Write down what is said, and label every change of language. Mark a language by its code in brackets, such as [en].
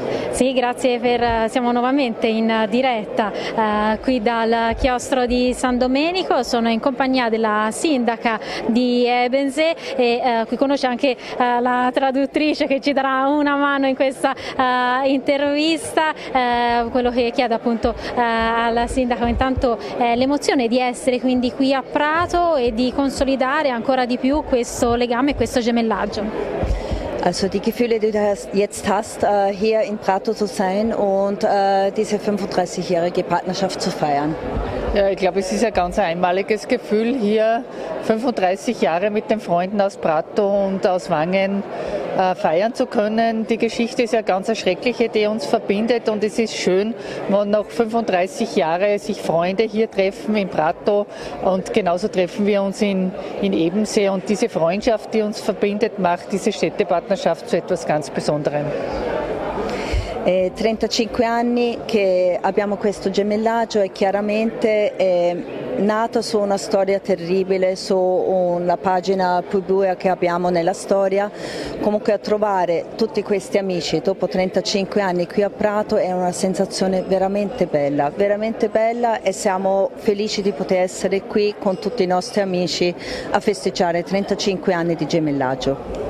[it] Sì, grazie, siamo nuovamente in diretta qui dal chiostro di San Domenico, sono in compagnia della sindaca di Ebensee e qui conosce anche la traduttrice che ci darà una mano in questa intervista, quello che chiede appunto alla sindaca intanto l'emozione di essere quindi qui a Prato e di consolidare ancora di più questo legame e questo gemellaggio. [de] Also die Gefühle, die du jetzt hast, hier in Prato zu sein und diese 35-jährige Partnerschaft zu feiern. Ja, ich glaube, es ist ein ganz einmaliges Gefühl, hier 35 Jahre mit den Freunden aus Prato und aus Wangen feiern zu können. Die Geschichte ist ja ganz eine schreckliche, die uns verbindet, und es ist schön, wenn nach 35 Jahren sich Freunde hier treffen in Prato, und genauso treffen wir uns in Ebensee, und diese Freundschaft, die uns verbindet, macht diese Städtepartnerschaft zu etwas ganz Besonderem. [it] 35 anni che abbiamo questo gemellaggio e chiaramente è nato su una storia terribile, su una pagina più buia che abbiamo nella storia. Comunque, a trovare tutti questi amici dopo 35 anni qui a Prato è una sensazione veramente bella, e siamo felici di poter essere qui con tutti i nostri amici a festeggiare 35 anni di gemellaggio.